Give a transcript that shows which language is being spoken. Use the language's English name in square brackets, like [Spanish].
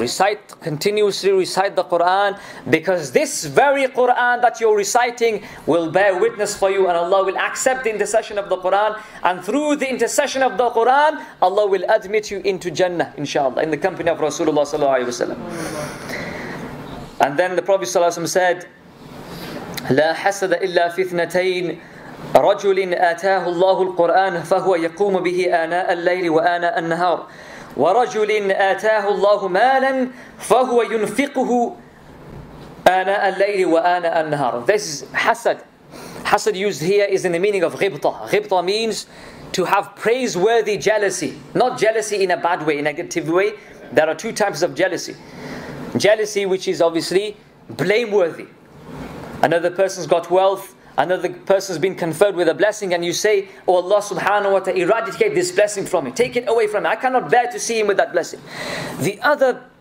[English] Recite, continuously recite the Quran, because this very Quran that you're reciting will bear witness for you, and Allah will accept the intercession of the Quran, and through the intercession of the Quran, Allah will admit you into Jannah, inshallah, in the company of Rasulullah sallallahu alayhi wa sallam. And then the Prophet sallallahu alayhi wa sallam said, [Arabic] لا حسد إلا في اثنتين رجل آتاه الله القرآن فهو يقوم به آناء الليل وآناء النهار ورجل آتاه الله مالا فهو ينفقه آناء الليل وآناء النهار. [English] This is حسد. حسد used here is in the meaning of غبطة. غبطة means to have praiseworthy jealousy. Not jealousy in a bad way, in a negative way. There are two types of jealousy. Jealousy which is obviously blameworthy. Another person's got wealth, another person's been conferred with a blessing, and you say, oh Allah subhanahu wa ta'ala, eradicate this blessing from me. Take it away from me. I cannot bear to see him with that blessing. The other